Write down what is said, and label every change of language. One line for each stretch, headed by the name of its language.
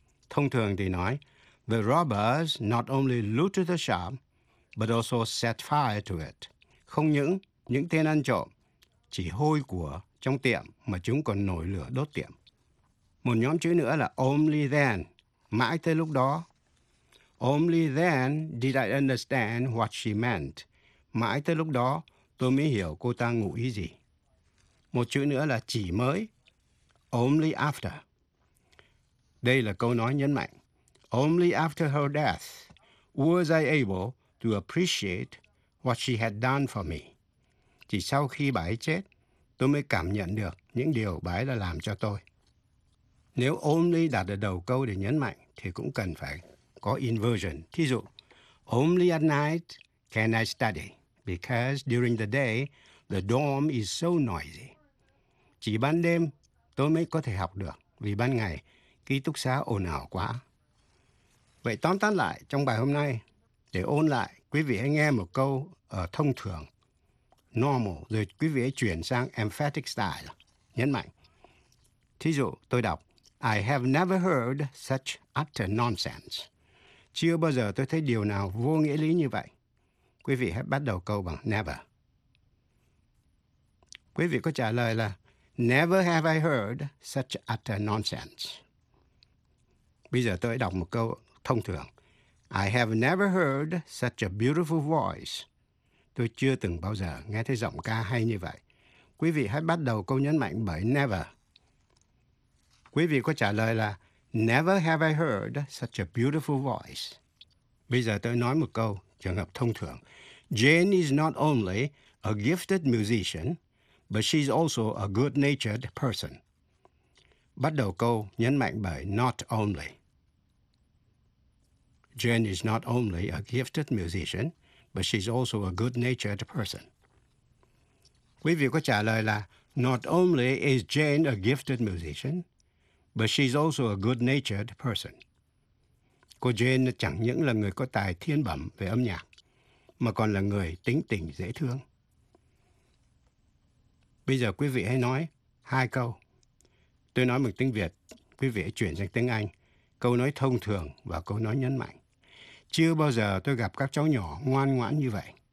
Vietnamese: Thông thường thì nói,
English: the robbers not only looted the shop, but also set fire to it.
Vietnamese: Không những tên ăn trộm chỉ hôi của trong tiệm mà chúng còn nổi lửa đốt tiệm. Một nhóm chữ nữa là only then, mãi tới lúc đó.
English: Only then did I understand what she meant.
Vietnamese: Mãi tới lúc đó, tôi mới hiểu cô ta ngụ ý gì. Một chữ nữa là chỉ mới. Only after. Đây là câu nói nhấn mạnh.
English: Only after her death was I able to appreciate what she had done for me.
Vietnamese: Chỉ sau khi bà ấy chết, tôi mới cảm nhận được những điều bà ấy đã làm cho tôi. Nếu only đặt ở đầu câu để nhấn mạnh, thì cũng cần phải có inversion. Thí dụ,
English: only at night can I study, because during the day, the dorm is so noisy.
Vietnamese: Chỉ ban đêm, tôi mới có thể học được, vì ban ngày, ký túc xá ồn ào quá. Vậy tóm tắt lại trong bài hôm nay, để ôn lại, quý vị hãy nghe một câu ở thông thường, normal, rồi quý vị hãy chuyển sang emphatic style, nhấn mạnh. Thí dụ, tôi đọc,
English: I have never heard such utter nonsense.
Vietnamese: Chưa bao giờ tôi thấy điều nào vô nghĩa lý như vậy. Quý vị hãy bắt đầu câu bằng never. Quý vị có trả lời là
English: never have I heard such utter nonsense.
Vietnamese: Bây giờ tôi đọc một câu thông thường.
English: I have never heard such a beautiful voice.
Vietnamese: Tôi chưa từng bao giờ nghe thấy giọng ca hay như vậy. Quý vị hãy bắt đầu câu nhấn mạnh bởi never. Quý vị có trả lời là
English: never have I heard such a beautiful voice.
Vietnamese: Bây giờ tôi nói một câu, trường hợp thông thường.
English: Jane is not only a gifted musician, but she's also a good-natured person.
Vietnamese: Bắt đầu câu nhấn mạnh bởi not only.
English: Jane is not only a gifted musician, but she's also a good-natured person.
Vietnamese: Quý vị có trả lời là
English: not only is Jane a gifted musician, but she's also a good-natured person.
Vietnamese: Cô Jane chẳng những là người có tài thiên bẩm về âm nhạc, mà còn là người tính tình dễ thương. Bây giờ quý vị hãy nói hai câu. Tôi nói bằng tiếng Việt, quý vị hãy chuyển sang tiếng Anh. Câu nói thông thường và câu nói nhấn mạnh. Chưa bao giờ tôi gặp các cháu nhỏ ngoan ngoãn như vậy.